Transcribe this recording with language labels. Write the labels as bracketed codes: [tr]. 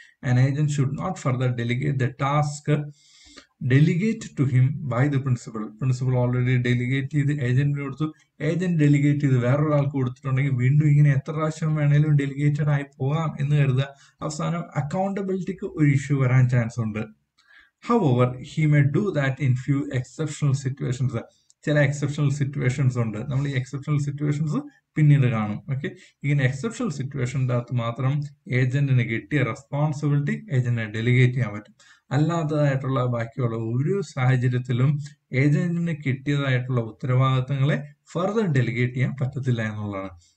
[en] An agent should not further delegate the task delegate to him by the principal. [ml] Principal already delegate ചെയ്ത് ഏജന്റിന് കൊടുത്തു, agent delegate ചെയ്ത് വേറൊരാൾക്ക് കൊടുത്തിട്ടുണ്ടെങ്കിൽ വീണ്ടും ഇങ്ങനെ എത്ര പ്രാവശ്യം വേണേലും ഡെലിഗേറ്റഡ് ആയി പോകാം എന്ന് കരുതുക. അവസാനം അക്കൗണ്ടബിലിറ്റിക്ക് ഒരു ഇഷ്യൂ വരാൻ ചാൻസ് ഉണ്ട്. [en] However, he may do that in few exceptional situations. [ml] ചില എക്സെപ്ഷണൽ സിറ്റുവേഷൻസ് ഉണ്ട്, നമ്മൾ ഈ എക്സെപ്ഷണൽ സിറ്റുവേഷൻസ് പിന്നീട് കാണും. ഓക്കെ, ഇങ്ങനെ എക്സെപ്ഷണൽ സിറ്റുവേഷൻ്റെ അകത്ത് മാത്രം ഏജന്റിന് കിട്ടിയ റെസ്പോൺസിബിലിറ്റി ഏജന്റിനെ ഡെലിഗേറ്റ് ചെയ്യാൻ പറ്റും. അല്ലാത്തതായിട്ടുള്ള ബാക്കിയുള്ള ഒരു സാഹചര്യത്തിലും ഏജന്റിന് കിട്ടിയതായിട്ടുള്ള ഉത്തരവാദിത്തങ്ങളെ ഫർദർ ഡെലിഗേറ്റ് ചെയ്യാൻ പറ്റത്തില്ല എന്നുള്ളതാണ്.